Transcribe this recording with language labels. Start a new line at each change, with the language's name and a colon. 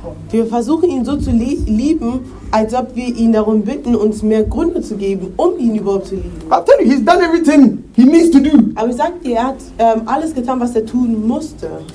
German: Wir versuchen ihn so zu lieben, als ob wir ihn darum bitten, uns mehr Gründe zu geben, um ihn überhaupt zu lieben.
English: I'll tell you, he's done everything he needs to do.
German: Aber ich sag dir, er hat alles getan, was er tun musste.